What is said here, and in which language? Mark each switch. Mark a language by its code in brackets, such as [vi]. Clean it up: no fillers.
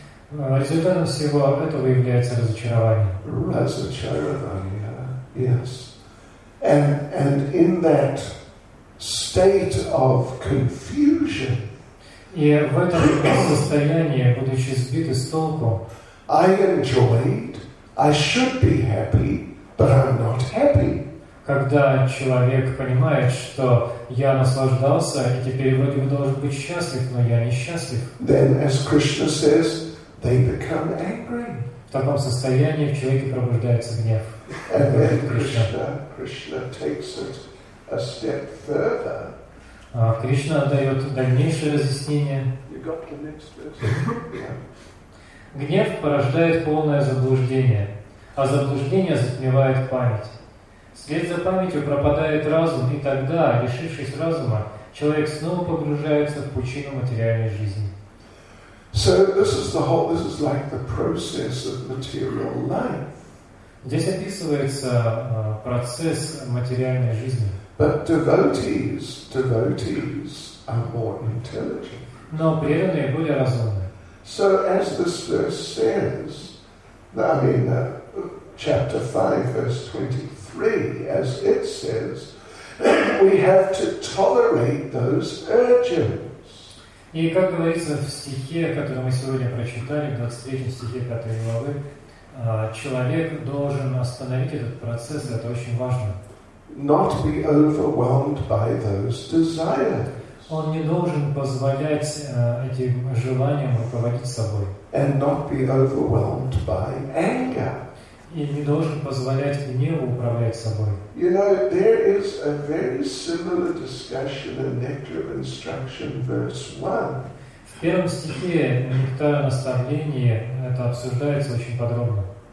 [ru] Результатом всего этого является разочарование. Разочарование, [en] yes. And in that state of confusion, [ru] и в этом состоянии, будучи сбиты с толку, [en] I enjoyed, I should be happy, but I'm not happy. [ru] Когда человек понимает, что я наслаждался, и теперь вроде бы должен быть счастлив, но я несчастлив. [en] Then, as Krishna says, they become angry. [ru] В таком состоянии в человеке пробуждается гнев. [en] And then Krishna takes it a step further. [ru] Кришна дает дальнейшее разъяснение. [en] You got the next verse. [ru] Гнев порождает полное заблуждение, а заблуждение затмевает память. Вслед за памятью пропадает разум, и тогда, лишившись разума, человек снова погружается в пучину материальной жизни. [en] So this is the whole, this is like the process of material life. [ru] Здесь описывается процесс материальной жизни. [en] But devotees are more intelligent. [ru] Но преданные более разумны. [en] So as this verse says, I mean, chapter 5, verse 23, as it says, we have to tolerate those urges. [ru] И как говорится в стихе, который мы сегодня прочитали, в 23 стихе 5 главы, человек должен остановить этот процесс, это очень важно. [en] Not be overwhelmed by those desires. [ru] Он не должен позволять этим желаниям руководить собой. [en] And not be overwhelmed by anger. [ru] И не должен позволять гневу управлять собой. [en] You know, there is a very similar discussion in Nectar of Instruction, verse 1. [ru] В первом стихе Нектара наставления это обсуждается очень подробно.